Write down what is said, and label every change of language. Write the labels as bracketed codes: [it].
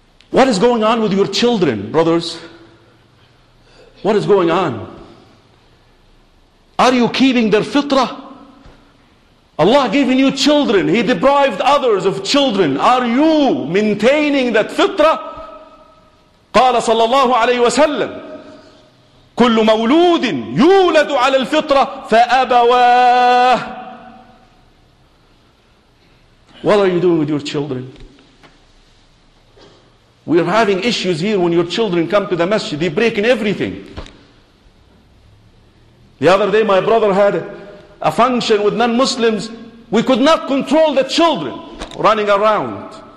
[en] What is going on with your children, brothers? What is going on? Are you keeping their fitrah? Allah given you children. He deprived others of children. Are you maintaining that fitrah? [ar] قال صلى الله عليه وسلم كل مولود يولد على الفطرة فأبواه. [en] What are you doing with your children? We are having issues here when your children come to the masjid. They're breaking everything. The other day my brother had a function with non-Muslims. We could not control the children running around.